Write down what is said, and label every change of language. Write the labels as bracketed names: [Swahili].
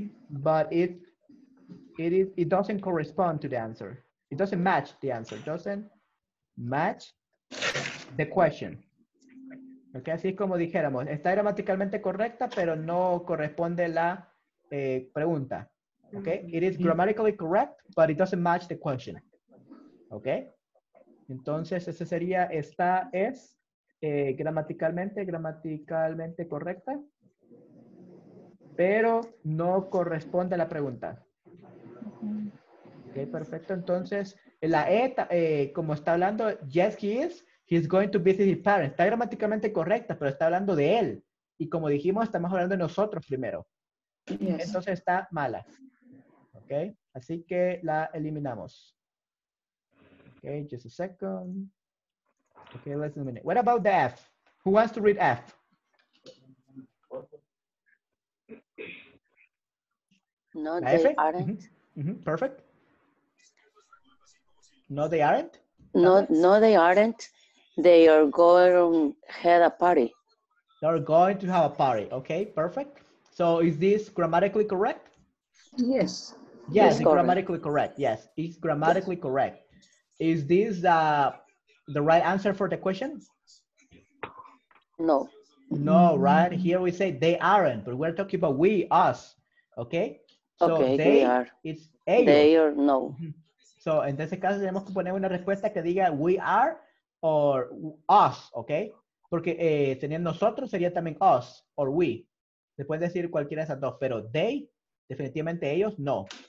[English] But it doesn't correspond to the answer. It doesn't match the answer. It doesn't match the question. [Spanish] Okay, así es como dijéramos, está gramaticalmente correcta, pero no corresponde la pregunta. [English] Okay? It is grammatically correct, but it doesn't match the question. Okay? [Spanish] Entonces, ese sería, esta es gramaticalmente correcta, pero no corresponde a la pregunta. Okay, perfecto. Entonces, la E, como está hablando, [English] yes, he is. He's going to visit his parents. [Spanish] Está gramaticalmente correcta, pero está hablando de él. Y como dijimos, estamos hablando de nosotros primero. [English] Yes. [Spanish] Entonces está mala. ¿Ok? Así que la eliminamos. [English] Okay, just a second. Okay, let's do a minute. What about the F? Who wants to read F? No, they aren't. Mm-hmm. Perfect. No, they aren't? No, no, they aren't. They are going to have a party. They're going to have a party. Okay, perfect. So is this grammatically correct? Yes. Yes, it's grammatically correct. Yes, it's grammatically correct. Is this the right answer for the question? No. No, right? Here we say they aren't, but we're talking about we, us. Okay? So okay, they are. It's ellos. They are, no. [Spanish] So en ese caso tenemos que poner una respuesta que diga [English] we are or us, [Spanish] okay? Porque teniendo nosotros sería también [English] us or we. [Spanish] Se puede decir cualquiera de esas dos, pero they, definitivamente ellos, no.